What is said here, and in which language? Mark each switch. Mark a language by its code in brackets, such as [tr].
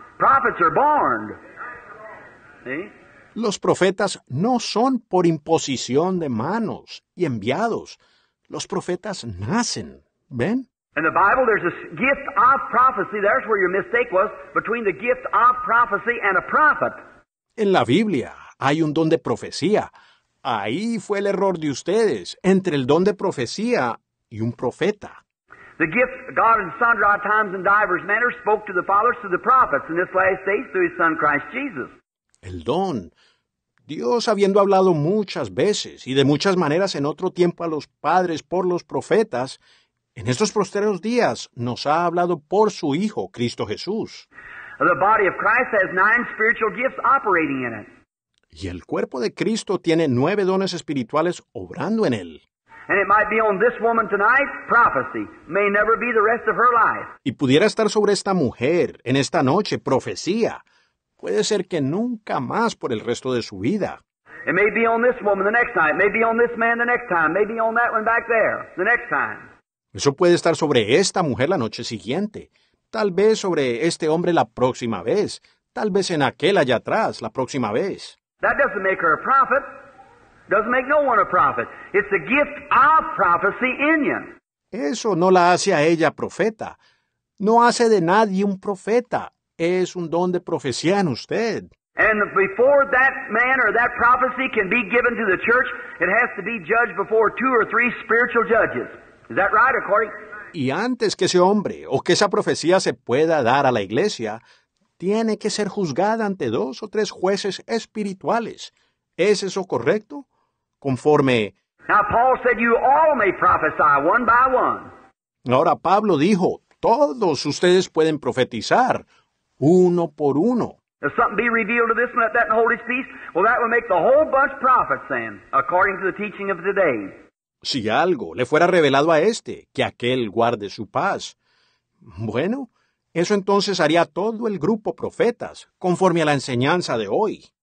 [en] Prophets are born. [es] Los profetas no son por imposición de manos y enviados. Los profetas nacen. ¿Ven? [en] In the Bible, there's a gift of prophecy. There's where your mistake was, between the gift of prophecy and a prophet. [es] En la Biblia hay un don de profecía. Ahí fue el error de ustedes, entre el don de profecía y un profeta. [en] The gift God in sundry times and divers manners spoke to the fathers through the prophets, in this last days through His Son Christ Jesus. [es] El don. Dios habiendo hablado muchas veces y de muchas maneras en otro tiempo a los padres por los profetas, en estos posteriores días nos ha hablado por su Hijo, Cristo Jesús. [en] The body of Christ has 9 spiritual gifts operating in it. [es] Y el cuerpo de Cristo tiene 9 dones espirituales obrando en él. [en] And it might be on this woman tonight, prophecy. May never be the rest of her life. [es] Y pudiera estar sobre esta mujer en esta noche, profecía. Puede ser que nunca más por el resto de su vida. [en] It may be on this woman the next time. It may be on this man the next time. Maybe on that one back there the next time. [es] Eso puede estar sobre esta mujer la noche siguiente. Tal vez sobre este hombre la próxima vez. Tal vez en aquel allá atrás la próxima vez. [en] That doesn't make her a prophet. Doesn't make no one a prophet. It's the gift of prophecy in you. [es] Eso no la hace a ella profeta. No hace de nadie un profeta. Es un don de profecía en usted. [en] And before that man or that prophecy can be given to the church, it has to be judged before 2 or 3 spiritual judges. Is that right, according? [es] Y antes que ese hombre o que esa profecía se pueda dar a la iglesia, tiene que ser juzgada ante 2 o 3 jueces espirituales. ¿Es eso correcto? Conforme... [en] Now, Paul said you all may prophesy one by one. [es] Ahora, Pablo dijo, todos ustedes pueden profetizar, uno por uno. [en] If something be revealed to this one, that in the Holy Spirit, well, that would make the whole bunch prophets then, according to the teaching of today. [es] Si algo le fuera revelado a este, que aquel guarde su paz. Bueno, eso entonces haría todo el grupo profetas, conforme a la enseñanza de hoy.